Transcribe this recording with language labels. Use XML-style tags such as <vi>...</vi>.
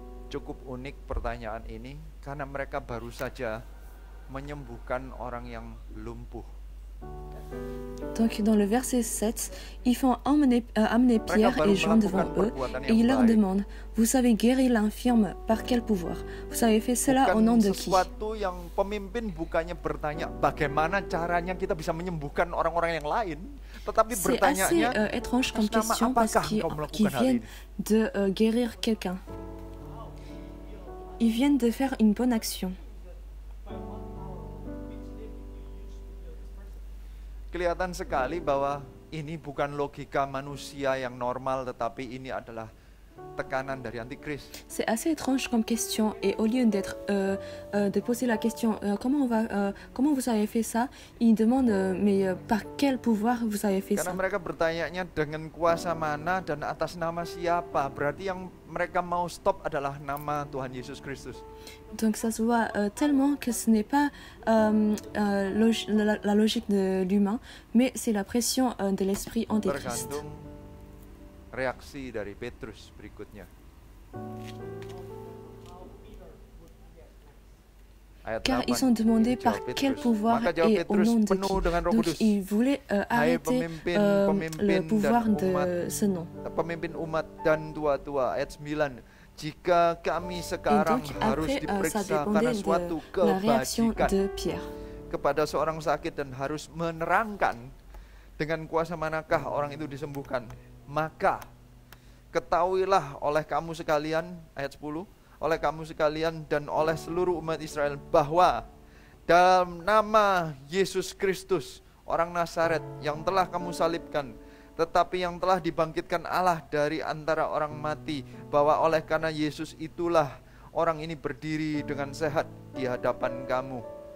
<id>Cukup unik pertanyaan ini karena mereka baru saja menyembuhkan orang yang lumpuh.</id> <fr>Donc dans le verset 7, ils font amener Pierre et Jean devant eux et ils leur demandent: vous savez guérir l'infirme par quel pouvoir? Vous avez fait cela au nom de qui?</fr> <id>Sesuatu yang pemimpin bukannya bertanya bagaimana caranya kita bisa menyembuhkan orang-orang yang lain, tetapi bertanyanya</id> <fr>étrange comme question parce qu'ils viennent de guérir quelqu'un. Ils viennent de faire une bonne action.</fr> <id>Kelihatan sekali bahwa ini bukan logika manusia yang normal, tetapi ini adalah tekanan dari Antikris.</id> <fr>C'est assez étrange comme question, et au lieu d'être de poser la question comment vous avez fait ça, il demande par quel pouvoir vous avez fait ça.</fr> <id>Karena mereka bertanyanya dengan kuasa mana dan atas nama siapa, berarti yang mereka mau stop adalah nama Tuhan Yesus Kristus.</id> <fr>Donc ça se voit tellement que ce n'est pas la logique de l'humain, mais c'est la pression de l'esprit Antichrist.</fr> <id>reaksi dari Petrus berikutnya.</id> <fr>Car ils ont demandé par quel pouvoir et au nom de qui. Donc ils voulaient arrêter le pouvoir de ce nom.</fr> <id>Pemimpin umat dan tua-tua, ayat 9. Jika kami sekarang harus diperiksa karena suatu kebajikan kepada seorang sakit dan harus menerangkan dengan kuasa manakah orang itu disembuhkan, maka ketahuilah oleh kamu sekalian, ayat 10, oleh kamu sekalian dan oleh seluruh umat Israel, bahwa dalam nama Yesus Kristus orang Nazaret yang telah kamu salibkan, tetapi yang telah dibangkitkan Allah dari antara orang mati, bahwa oleh karena Yesus itulah orang ini berdiri dengan sehat di hadapan kamu.</id>